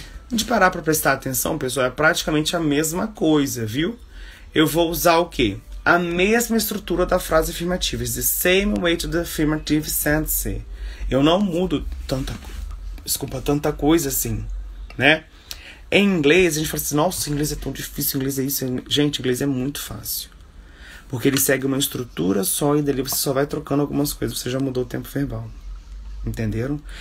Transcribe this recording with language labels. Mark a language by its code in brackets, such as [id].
[pt] De parar para prestar atenção, pessoal, é praticamente a mesma coisa, viu? Eu vou usar o quê? A mesma estrutura da frase afirmativa. [en] It's the same way to the affirmative sense. [pt] Eu não mudo tanta, desculpa, tanta coisa assim, né? Em inglês, a gente fala assim, nossa, inglês é tão difícil, inglês é isso. Gente, inglês é muito fácil. Porque ele segue uma estrutura só e dali você só vai trocando algumas coisas, você já mudou o tempo verbal. Entenderam?